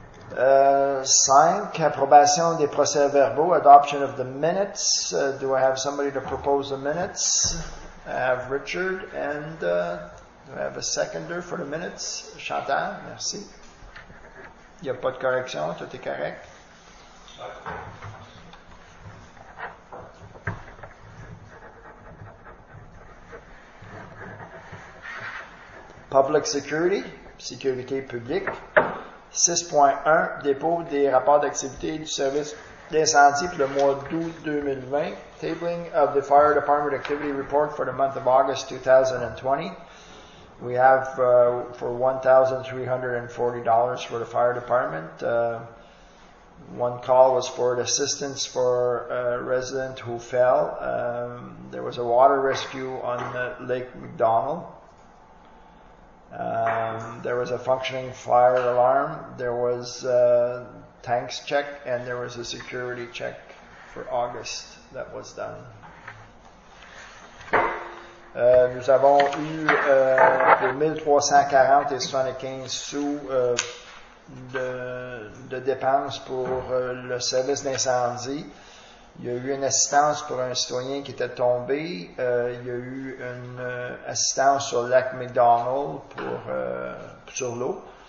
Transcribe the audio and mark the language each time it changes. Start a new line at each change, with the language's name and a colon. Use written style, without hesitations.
French: 5, approbation des procès-verbaux,
English: adoption of the minutes. Do I have somebody to propose the minutes? I have Richard, and do I have a seconder for the minutes?
French: Chantal, merci. Il n'y a pas de correction, tout est correct.
English: Public Security,
French: Sécurité publique. 6.1, dépôt des rapports d'activité du service d'incendie pour le mois d'août 2020.
English: Tabling of the Fire Department Activity Report for the month of August 2020. We have for $1,340 for the Fire Department. One call was for assistance for a resident who fell. There was a water rescue on Lake McDonald. There was a functioning fire alarm, there was a tanks check, and there was a security check for August that was done.
French: Nous avons eu pour 1340 et 75 sous de dépenses pour le service d'incendie. Il y a eu une assistance pour un citoyen qui était tombé. Il y a eu une assistance sur Lake McDonald pour sur l'eau.